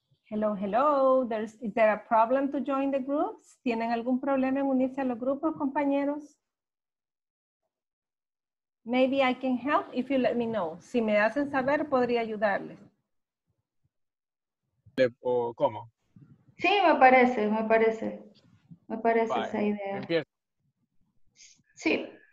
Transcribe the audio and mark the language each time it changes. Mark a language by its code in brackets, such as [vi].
[en] Hello, hello. Is there a problem to join the groups? [es] ¿Tienen algún problema en unirse a los grupos, compañeros? [en] Maybe I can help if you let me know. [es] Si me hacen saber, podría ayudarles. ¿Cómo? Sí, me parece. Me parece esa idea. Empiezo. Sí.